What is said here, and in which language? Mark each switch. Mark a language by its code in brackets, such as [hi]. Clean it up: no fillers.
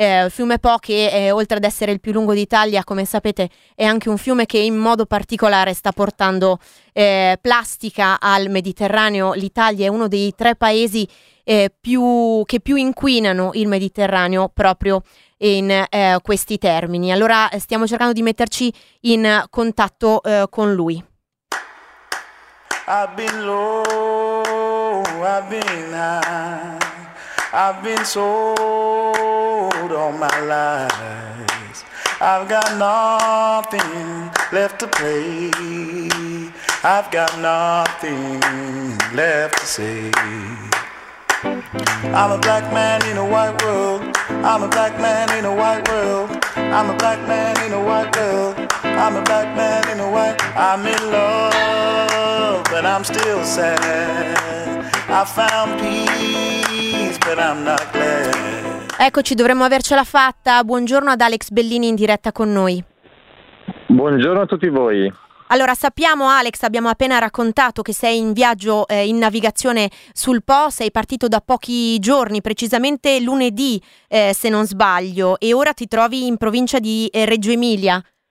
[it] Fiume Po che oltre ad essere il più lungo d'Italia, come sapete, è anche un fiume che in modo particolare sta portando plastica al Mediterraneo. L'Italia è uno dei tre paesi che più inquinano il Mediterraneo proprio in questi termini. Allora stiamo cercando di metterci in contatto con lui. [en] I've been low, I've been high, I've been sold all my lies. I've got nothing left to play, I've got nothing left to say. I'm a black man in a white world. I'm a black man in a white world. I'm a black man in a white world. I'm a black man in a white. I'm in love, but I'm still sad. I found peace, but I'm not glad. [it] Eccoci, dovremmo avercela fatta. Buongiorno ad Alex Bellini in diretta con noi. Buongiorno a tutti voi. Allora, sappiamo Alex, abbiamo appena raccontato che sei in viaggio in navigazione sul Po, sei partito da pochi giorni, precisamente lunedì se non sbaglio, e ora ti trovi in provincia di Reggio Emilia.